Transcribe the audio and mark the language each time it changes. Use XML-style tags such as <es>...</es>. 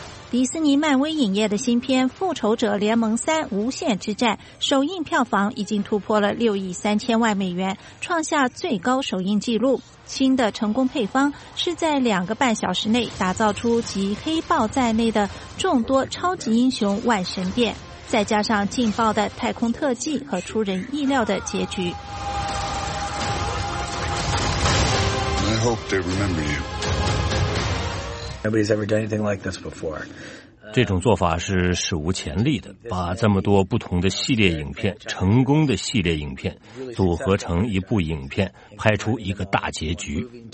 <zh>迪士尼漫威影业的新片《复仇者联盟三：无限之战》首映票房已经突破了6亿3000万美元，创下最高首映纪录。新的成功配方是在两个半小时内打造出集黑豹在内的众多超级英雄万神殿，再加上劲爆的太空特技和出人意料的结局。</zh> <en>I hope they remember you. Nobody's ever done anything like this before.</en> <zh>这种做法是史无前例的，把这么多不同的系列影片，成功的系列影片，组合成一部影片，拍出一个大结局。</zh>